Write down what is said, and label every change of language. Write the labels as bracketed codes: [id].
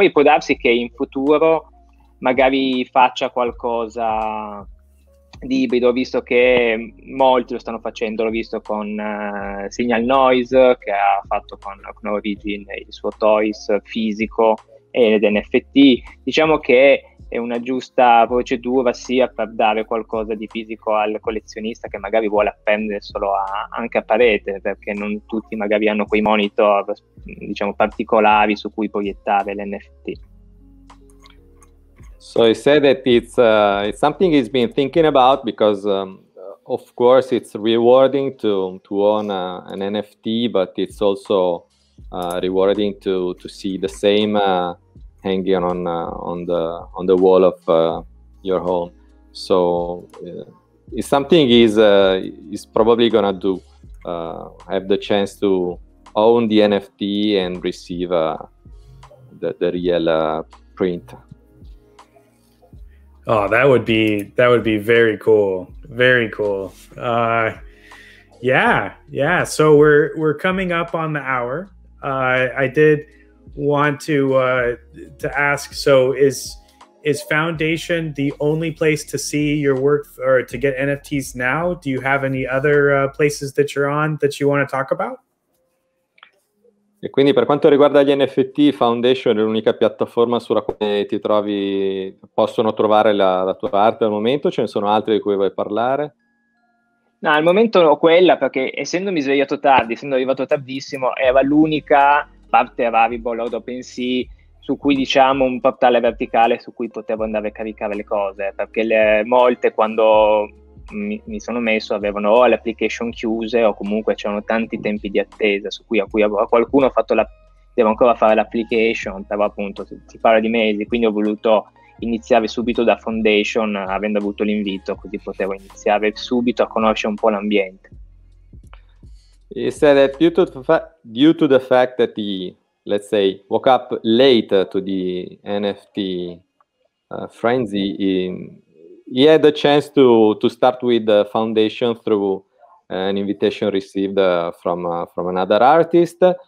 [it] Poi può darsi che in futuro magari faccia qualcosa di ibrido, visto che molti lo stanno facendo, l'ho visto con Signal Noise, che ha fatto con Origin il suo toys fisico ed NFT. Diciamo che è una giusta procedura sia per dare qualcosa di fisico al collezionista che magari vuole appendere solo anche a parete, perché non tutti magari hanno quei monitor diciamo particolari su cui proiettare l'NFT. [en] So he said that it's something he's been thinking about, because of course it's rewarding to own an NFT, but it's also rewarding to see the same hanging on the wall of your home. So it's something is probably gonna do. Have the chance to own the NFT and receive the real print. Oh, that would be very cool. Very cool. Yeah. So we're coming up on the hour. I did want to ask, so is Foundation the only place to see your work or to get NFTs now? Do you have any other places that you're on that you want to talk about? [it] E quindi per quanto riguarda gli NFT, Foundation è l'unica piattaforma sulla quale ti trovi, possono trovare la tua arte al momento? Ce ne sono altre di cui vuoi parlare? No, al momento ho quella, perché essendomi svegliato tardi, essendo arrivato tardissimo, era l'unica parte available ad OpenSea su cui, diciamo, un portale verticale su cui potevo andare a caricare le cose, perché le molte, quando mi sono messo, avevano o le application chiuse o comunque c'erano tanti tempi di attesa su cui, a cui avevo, a qualcuno ha fatto la, devo ancora fare l'application, però appunto si parla di mesi, quindi ho voluto iniziare subito da Foundation, avendo avuto l'invito, così potevo iniziare subito a conoscere un po' l'ambiente. [en] You said that due to the fact that he, let's say, woke up late to the NFT frenzy, he had the chance to start with the Foundation through an invitation received from another artist.